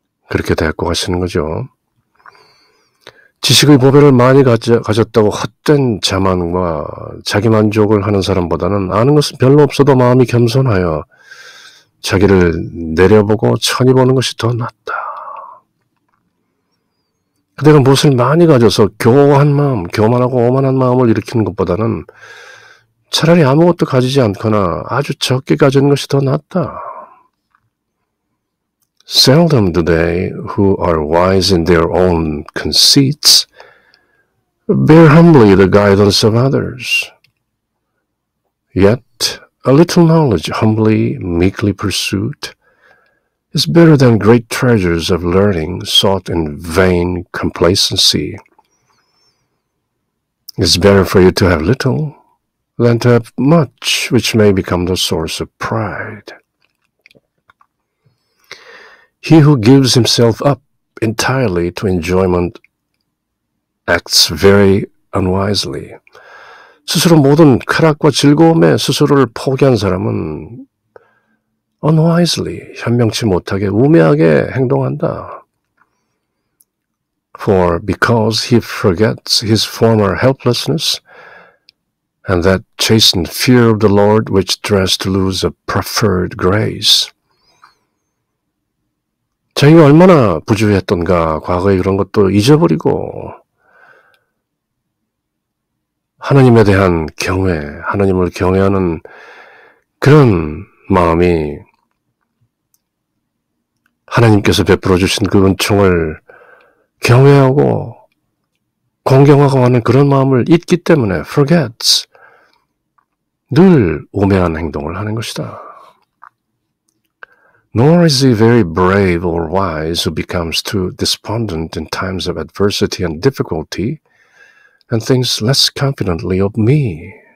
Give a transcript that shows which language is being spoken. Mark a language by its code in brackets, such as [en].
[ko] 그렇게 대꾸 하시는 거죠. 지식의 보배를 많이 가졌다고 헛된 자만과 자기만족을 하는 사람보다는 아는 것은 별로 없어도 마음이 겸손하여 자기를 내려보고 천히 보는 것이 더 낫다. 그대가 무엇을 많이 가져서 교만한 마음, 교만하고 오만한 마음을 일으키는 것보다는 차라리 아무것도 가지지 않거나 아주 적게 가진 것이 더 낫다. [en] Seldom do they who are wise in their own conceits bear humbly the guidance of others. Yet a little knowledge humbly, meekly pursued is better than great treasures of learning sought in vain complacency. It's better for you to have little than to have much, which may become the source of pride. He who gives himself up entirely to enjoyment acts very unwisely. [ko] 스스로 모든 쾌락과 즐거움에 스스로를 포기한 사람은 unwisely, 현명치 못하게, 우매하게 행동한다. [en] For because he forgets his former helplessness and that chastened fear of the Lord which dreads to lose a preferred grace. [ko] 자기가 얼마나 부주의했던가, 과거에 그런 것도 잊어버리고 하나님에 대한 경외, 하나님을 경외하는 그런 마음이 하나님께서 베풀어주신 그 은총을 경외하고 공경하고 하는 그런 마음을 잊기 때문에 forgets, 늘 우매한 행동을 하는 것이다. [en] Nor is he very brave or wise who becomes too despondent in times of adversity and difficulty and thinks less confidently of me.